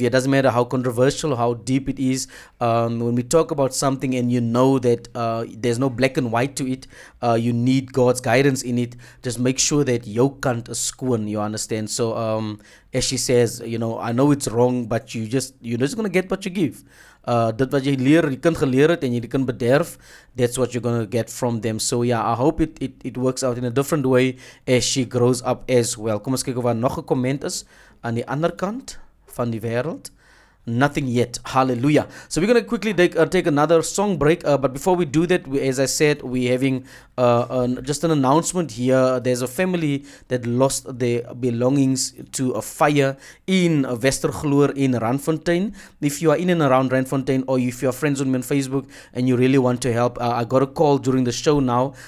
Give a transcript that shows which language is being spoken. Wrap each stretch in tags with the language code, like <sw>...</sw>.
<en>It doesn't matter how controversial, how deep it is. When we talk about something and you know that there's no black and white to it, you need God's guidance in it. Just make sure that you can't squirm, you understand? So as she says, you know, I know it's wrong, but you're just going to get what you give.</en> <af>Dit wat jy leer, jy kind geleer het en jy kind bederf,</af> <en>that's what you're going to get from them. So yeah, I hope it works out in a different way as she grows up as well.</en> <af>Kom ons kyk of daar nog 'n komment is aan die ander kant van die wêreld.</af> <en>Nothing yet. Hallelujah. So we're going to quickly take another song break. But before we do that, we're having just an announcement here. There's a family that lost their belongings to a fire in Westergloor in Randfontein. If you are in and around Randfontein, or if you are friends with me on Facebook and you really want to help, I got a call during the show now.</en>